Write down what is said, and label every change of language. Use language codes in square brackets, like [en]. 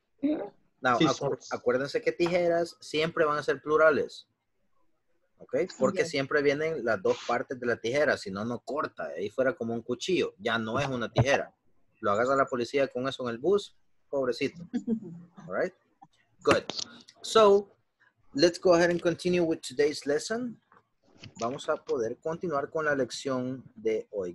[es] No, acuérdense que tijeras siempre van a ser plurales. ¿Ok? Porque siempre vienen las dos partes de la tijera, si no, no corta. Ahí fuera como un cuchillo. Ya no es una tijera. Lo hagas a la policía con eso en el bus, pobrecito. [en] All right? Good. So, let's go ahead and continue with today's lesson. [es] Vamos a poder continuar con la lección de hoy.